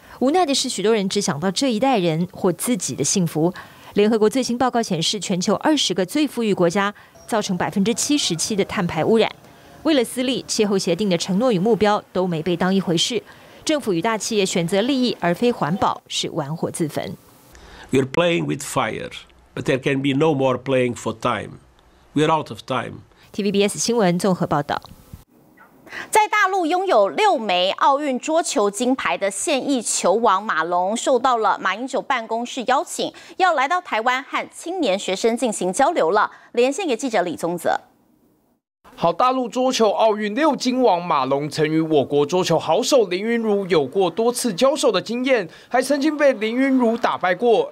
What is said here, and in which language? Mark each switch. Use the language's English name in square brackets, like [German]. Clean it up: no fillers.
[Chinese] 无奈的是，许多人只想到这一代人或自己的幸福。联合国最新报告显示，全球20个最富裕国家造成77%的碳排污染。为了私利，气候协定的承诺与目标都没被当一回事。政府与大企业选择利益而非环保，是玩火自焚。 [English] We are playing with fire, but there can be no more playing for time. We are out of time. [Chinese] TVBS 新闻综合报道。在大陆拥有6枚奥运桌球金牌的现役球王马龙，受到了马英九办公室邀请，要来到台湾和青年学生进行交流了。连线给记者李宗泽。好，大陆桌球奥运6金王马龙曾与我国桌球好手林昀儒有过多次交手的经验，还曾经被林昀儒打败过。